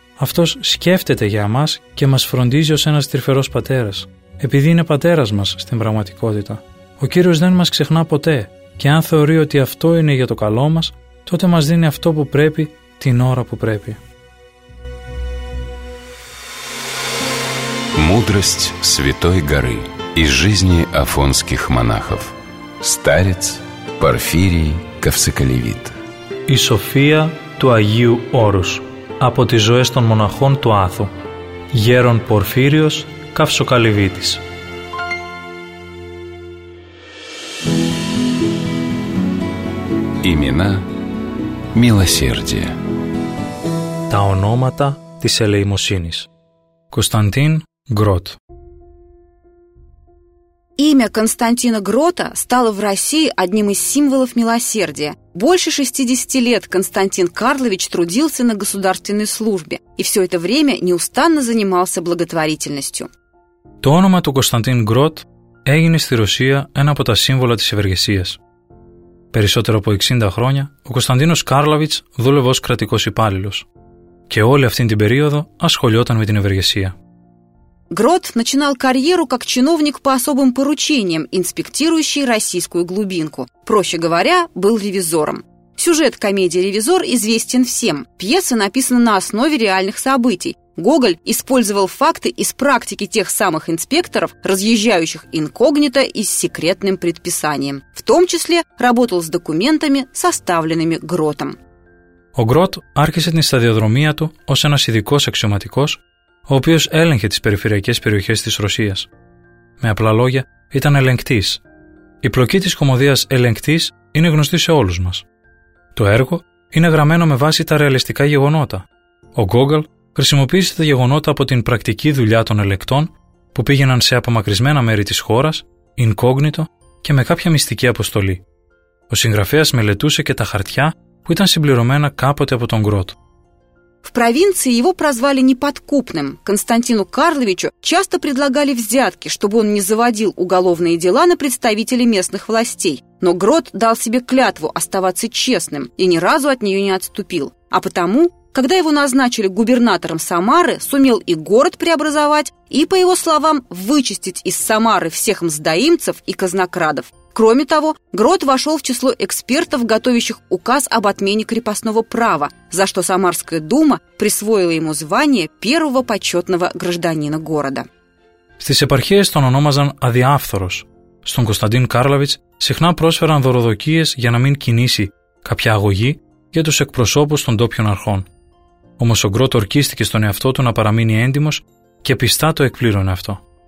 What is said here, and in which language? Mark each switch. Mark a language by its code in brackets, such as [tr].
[el] Αυτός σκέφτεται για μας και μας φροντίζει ως ένας τρυφερός πατέρας, επειδή είναι πατέρας μας στην πραγματικότητα. Ο Κύριος δεν μας ξεχνά ποτέ και αν θεωρεί ότι αυτό είναι για το καλό μας, τότε μας δίνει αυτό που πρέπει την ώρα που πρέπει». [ru] Мудрость Святой Горы из жизни афонских монахов. Старец Порфирий Ковсоколевит. [el] И София του Αγίου Όρους από τις ζωές των μοναχών του Άθου. Γέρον Πορφύριος Καυσοκαλυβίτης. [ru] Имена милосердия. [el] Τα ονόματα της ελεημοσύνης. [ru] Константίν Грот. Имя Константина Грота стало в России одним из символов милосердия. Больше 60 лет Константин Карлович трудился на государственной службе и все это время неустанно занимался благотворительностью. [el] Το όνομα του Κωνσταντίν Γκροτ έγινε στη Ρωσία ένα από τα σύμβολα της ευεργεσίας. Περισσότερο από 60 χρόνια, ο Κωνσταντίνος Κάρλαβιτς δούλευε ως κρατικός υπάλληλος και όλη αυτή την περίοδο ασχολιόταν με την ευεργεσία. [ru] Грот начинал карьеру как чиновник по особым поручениям, инспектирующий российскую глубинку. Проще говоря, был ревизором. Сюжет комедии «Ревизор» известен всем. Пьеса написана на основе реальных событий. Гоголь использовал факты из практики тех самых инспекторов, разъезжающих инкогнито и с секретным предписанием. В том числе работал с документами, составленными Гротом. [el] О Грот аркисе тни стадиодромия ту, ос энас идикос аксиоматикос, ο οποίος έλεγχε τις περιφερειακές περιοχές της Ρωσίας. Με απλά λόγια, ήταν ελεγκτής. Η πλοκή της κωμωδίας «Ελεγκτής» είναι γνωστή σε όλους μας. Το έργο είναι γραμμένο με βάση τα ρεαλιστικά γεγονότα. Ο Γκόγκαλ χρησιμοποίησε τα γεγονότα από την πρακτική δουλειά των ελεγκτών που πήγαιναν σε απομακρυσμένα μέρη της χώρας, incognito και με κάποια μυστική αποστολή. Ο συγγραφέας μελετούσε και τα χαρτιά που ήταν συμπληρωμένα κάποτε από τον Γκροτ. [ru] В провинции его прозвали неподкупным. Константину Карловичу часто предлагали взятки, чтобы он не заводил уголовные дела на представителей местных властей. Но Грот дал себе клятву оставаться честным и ни разу от нее не отступил. А потому, когда его назначили губернатором Самары, сумел и город преобразовать, и, по его словам, вычистить из Самары всех мздоимцев и казнокрадов. Кроме того, Грот вошел в число экспертов, готовящих указ об отмене крепостного права, за что Самарская дума присвоила ему звание первого почетного гражданина города. [el] Στις επαρχίες τον ονόμαζαν «Αδιάφθορος». Στον Κωνσταντίν Κάρλαβιτς συχνά πρόσφεραν δωροδοκίες για να μην κινήσει κάποια αγωγή για τους εκπροσώπους των ντόπιων αρχών. Όμως ο Γκροτ ορκίστηκε στον εαυτό του να παραμείνει έντιμος και πιστά το εκπλήρωνε αυτό.